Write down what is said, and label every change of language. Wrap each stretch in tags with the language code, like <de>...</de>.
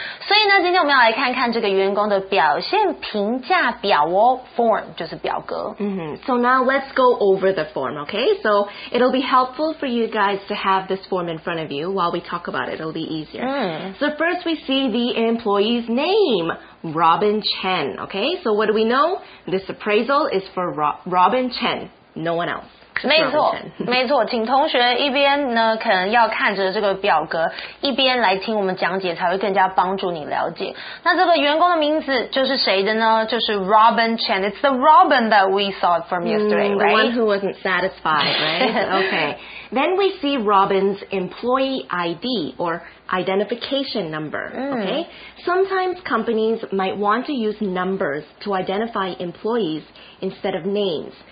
<zh>所以呢，今天我们要来看看这个员工的表现评价表哦 ，form 就是表格。</zh> <en>So now let's go over the form, okay? So it'll be helpful for you guys to have this form in front of you while we talk about it. It'll be easier. So first we see the employee's name, Robin Chen, okay? So what do we know? This appraisal is for Robin Chen, no one else.</en> <zh>没错，没错，请同学一边呢，可能要看着这个表格，一边来听我们讲解，才会更加帮助你了解。那这个员工的名字就是谁的呢？就是 Robin Chen.</zh> <en>It's the Robin that we saw from yesterday, the right? The one who wasn't satisfied, right? Okay. Then we see Robin's employee ID or identification number, okay? Sometimes companies might want to use numbers to identify employees instead of names.</en>